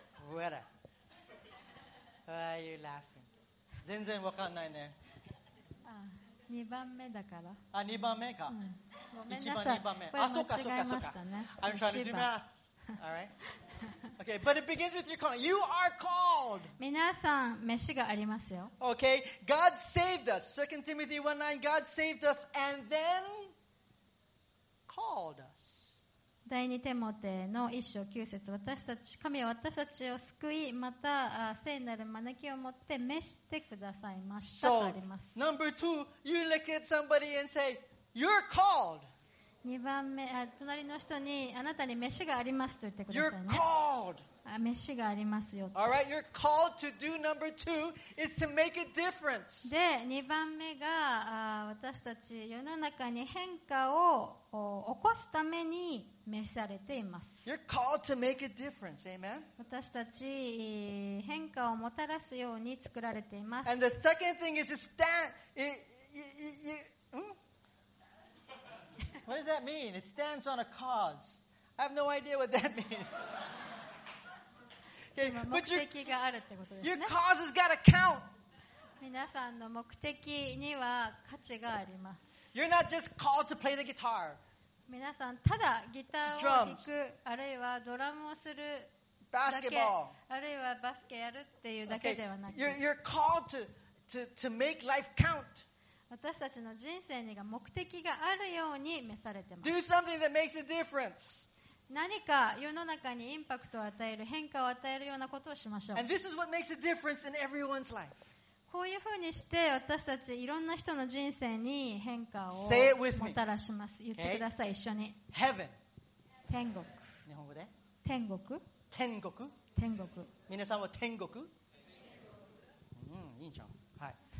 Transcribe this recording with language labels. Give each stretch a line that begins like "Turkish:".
English: What? Why are you laughing?
Japanese: 全然わかんないね。 2番目だから。あ、2番目か。うん、ごめんなさい。 1番、2番目。あ、そうか、そうか、そうか。間違えましたね。
English: I'm trying to do math. Alright. Okay, but it begins with your calling. You are called.
Japanese: 皆さん、召しがありますよ。
English: Okay, God saved us. 2 Timothy 1:9, God saved us and then called us.
Japanese: 第二テモテの一章九節、私たち神は私たちを救い、また聖なる招きを持って召してくださいましたとあります。
English: So, number two, you look at somebody and say, "You're called."
Japanese: 2番目、隣の人にあなたに飯がありますと言ってくださいね。
English: You're called.
Japanese: 飯がありますよ
English: と。All right, you're called to do number two is to make a difference.
Japanese: で、2番目が、私たち世の中に変化を起こすために召されています。
English: You're called to make a difference. Amen.
Japanese: 私たち変化をもたらすように作られています。
English: And the second thing is to stand. What does that mean? It stands on a cause. I have no idea what that means. Okay, but your cause has got to count.
Japanese: 皆さんの目的には価値があります。
English: You're not just called to play the guitar.
Japanese: 皆さんただギターを弾く、あるいはドラムをするだけ、あるいはバスケやるっていうだけではなく、
English: You're called to make life count.
Japanese: 私たちの人生に目的があるように召されています
English: 。 Do something that makes a difference.
Japanese: 何か世の中にインパクトを与える、変化を与えるようなことをしましょう。
English: And this is what makes a difference in everyone's life.
Japanese: こういうふうにして私たちいろんな人の人生に変化をもたらします。言ってください、一緒に。
English: Heaven.
Japanese: 天国。日本語で？天国。天国。天国。皆さんは天国？いいじゃん。はい。